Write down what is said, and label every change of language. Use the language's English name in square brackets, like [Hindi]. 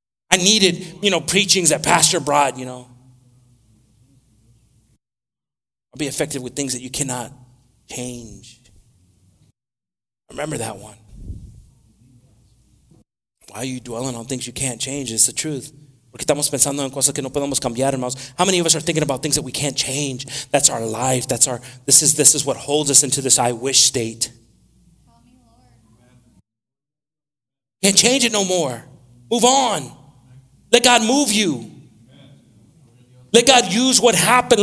[English] I needed, preachings that pastor brought, I'll be affected with things that you cannot change. Remember that one. Why are you dwelling on things you can't change? It's the truth. [Spanish] Estamos pensando en cosas que no podemos cambiar, hermanos. [English] How many of us are thinking about things that we can't change? That's our life. That's our, this is what holds us into this I wish state. Call me Lord. Can't change it no more. Move on. Let God move you. Let God use what happened.